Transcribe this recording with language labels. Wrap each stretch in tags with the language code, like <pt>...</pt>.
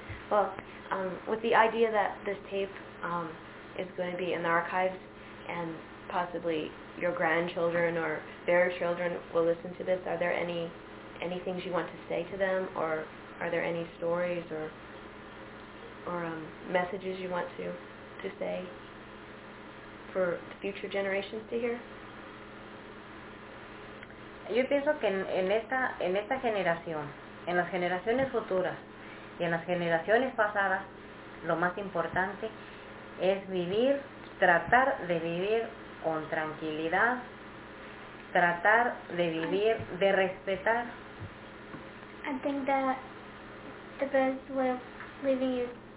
<en>Well, with the idea that this tape is going to be in the archives, and possibly your grandchildren or their children will listen to this, are there any things you want to say to them, or are there any stories or messages you want to say for future generations to hear?</en> <es>Yo pienso que en esta generación, en las generaciones futuras y en las generaciones pasadas, lo más importante es tratar de vivir con tranquilidad, tratar de vivir, de respetar.</es> <en>I think that the best way of living is</en>